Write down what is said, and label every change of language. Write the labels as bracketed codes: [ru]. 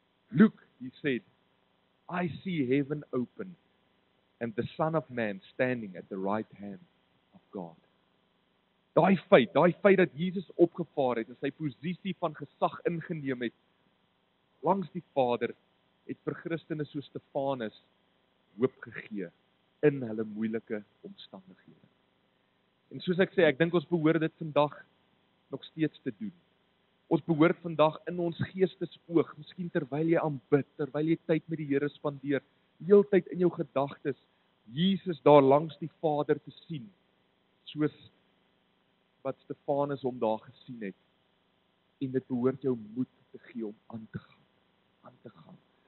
[en] Look, he said, I see heaven open, and the Son of Man standing at the right hand of God. [af] Die feit dat Jesus opgevaar het, en sy posisie van gesag ingeneem het, langs die Vader, het vir Christene soos Stefanus hoop gegee in hulle moeilike omstandighede. En soos ek sê, ek dink ons behoort dit vandag nog steeds te doen. Ons behoort vandag in ons geestesoog, miskien terwyl jy aanbid, terwyl jy tyd met die Here spandeer, heeltyd in jou gedagtes Jesus daar langs die Vader te sien, soos wat Stefanus hom daar gesien het. En dit behoort jou moed te gee om aan te gaan.